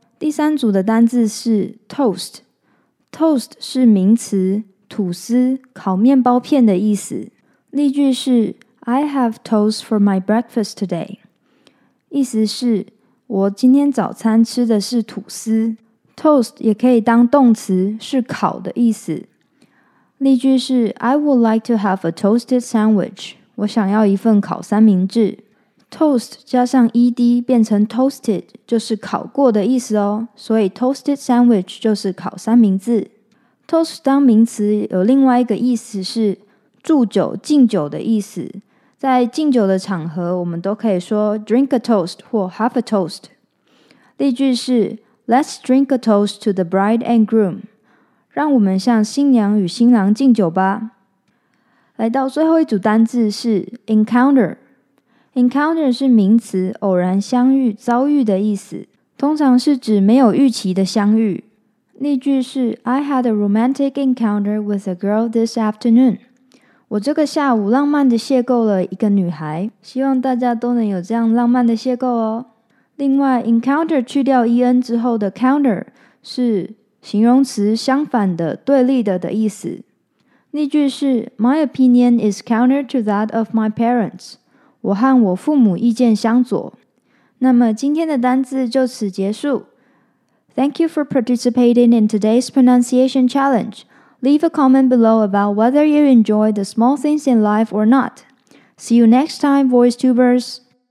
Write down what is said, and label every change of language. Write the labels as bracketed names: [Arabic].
[Chinese] 第三组的单字是 toast。toast 是名词，吐司、烤面包片的意思。例句是 [English] I have toast for my breakfast today. [Chinese] 意思是我今天早餐吃的是吐司。 toast 也可以当动词，是烤的意思。例句是 [English] I would like to have a toasted sandwich. [Chinese] 我想要一份烤三明治。Toast 加上 ed 变成 toasted 就是烤过的意思哦，所以 toasted sandwich 就是烤三明治。 Toast 当名词有另外一个意思是祝酒敬酒的意思，在敬酒的场合我们都可以说 [English] drink a toast [Chinese] 或 [English] have a toast。 [Chinese] 例句是 [English] Let's drink a toast to the bride and groom， [Chinese] 让我们向新娘与新郎敬酒吧。来到最后一组单字是 encounter。Encounter 是名词，偶然相遇、遭遇的意思，通常是指没有预期的相遇。例句是 [English] I had a romantic encounter with a girl this afternoon. [Chinese] 我这个下午浪漫的邂逅了一个女孩，希望大家都能有这样浪漫的邂逅哦。另外 encounter 去掉 en 之后的 counter 是形容词，相反的、对立的的意思。例句是 [English] My opinion is counter to that of my parents. [Chinese] 我和我父母意见相左。那么今天的单字就此结束。 [English] Thank you for participating in today's pronunciation challenge. Leave a comment below about whether you enjoy the small things in life or not. See you next time, VoiceTubers!